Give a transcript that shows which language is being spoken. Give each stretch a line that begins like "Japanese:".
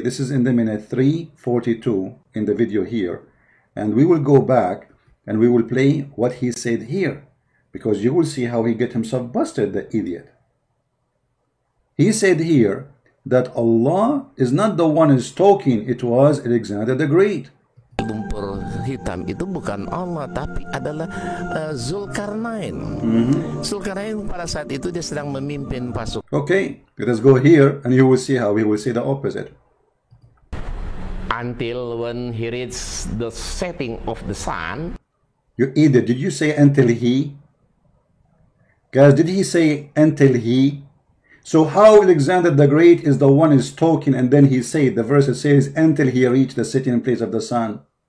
English: This is in the minute 342 in the video here, and we will go back and we will play what he said here, because you will see how he get himself busted, the idiot. He said here that Allah is not the one is talking, it was Alexander the Great.
Indonesian: Lumpur hitam itu bukan Allah tapi adalah Zulkarnain. Zulkarnain pada saat itu dia sedang memimpin pasukan.
English: Okay, let us go here and you will see how we will see the opposite. Until when he reads the setting of the sun. You either did you say until he? Guys, did he say until he? So how Alexander the Great is the one is talking and then he said, the verse says, until he reached the setting place of the sun.